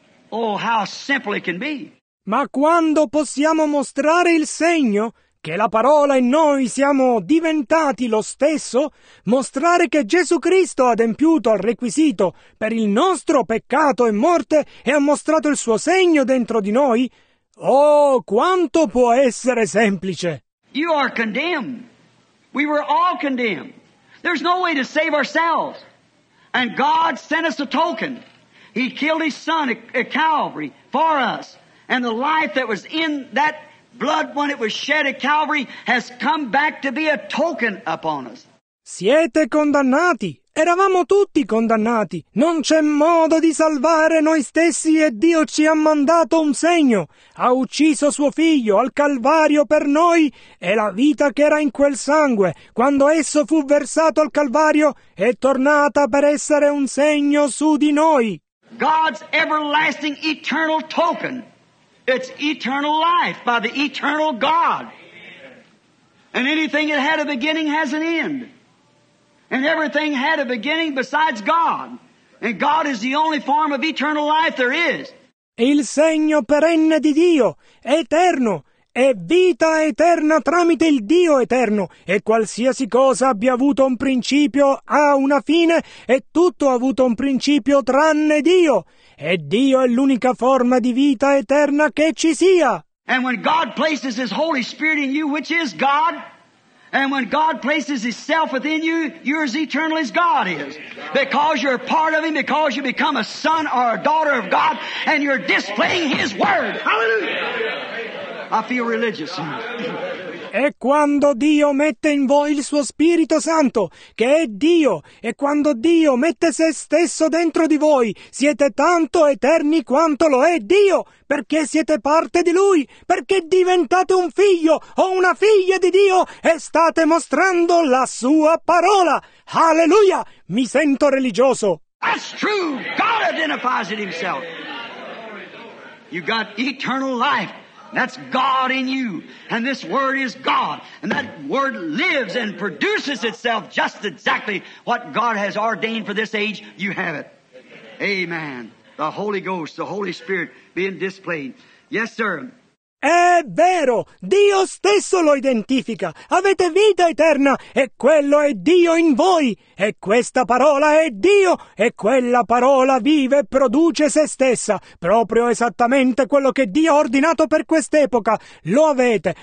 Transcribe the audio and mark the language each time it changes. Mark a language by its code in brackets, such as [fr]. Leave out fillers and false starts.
[en] Oh, how simple it can be. [it] Ma quando possiamo mostrare il segno che la parola e noi siamo diventati lo stesso, mostrare che Gesù Cristo ha adempiuto al requisito per il nostro peccato e morte e ha mostrato il suo segno dentro di noi? Oh, quanto può essere semplice! [en] You are condemned. We were all condemned. There's no way to save ourselves. And God sent us a token. He killed his son at Calvary for us. And the life that was in that blood when it was shed at Calvary has come back to be a token upon us. [it] Siete condannati! Eravamo tutti condannati. Non c'è modo di salvare noi stessi e Dio ci ha mandato un segno. Ha ucciso suo figlio al Calvario per noi e la vita che era in quel sangue, quando esso fu versato al Calvario, è tornata per essere un segno su di noi. [en] God's everlasting eternal token. It's eternal life by the eternal God. And anything that had a beginning has an end. And everything had a beginning besides God. And God is the only form of eternal life there is. [it] Il segno perenne di Dio, eterno, è vita eterna tramite il Dio eterno. E qualsiasi cosa abbia avuto un principio ha una fine, e tutto ha avuto un principio tranne Dio. E Dio è l'unica forma di vita eterna che ci sia. [en] And when God places His Holy Spirit in you, which is God, and when God places Himself within you, you're as eternal as God is. Because you're a part of Him, because you become a son or a daughter of God, and you're displaying His Word. Hallelujah! I feel religious. [it] E quando Dio mette in voi il suo Spirito Santo, che è Dio, e quando Dio mette se stesso dentro di voi, siete tanto eterni quanto lo è Dio, perché siete parte di Lui, perché diventate un figlio o una figlia di Dio e state mostrando la sua parola. Alleluia! Mi sento religioso. [en] That's true. God identifies it Himself. You got eternal life. That's God in you, and this Word is God, and that Word lives and produces itself just exactly what God has ordained for this age. You have it. Amen. The Holy Ghost, the Holy Spirit being displayed. Yes, sir. [it] È vero, Dio stesso lo identifica. Avete vita eterna, e quello è Dio in voi, e questa parola è Dio, e quella parola vive e produce se stessa. Proprio esattamente quello che Dio ha ordinato per quest'epoca, lo avete.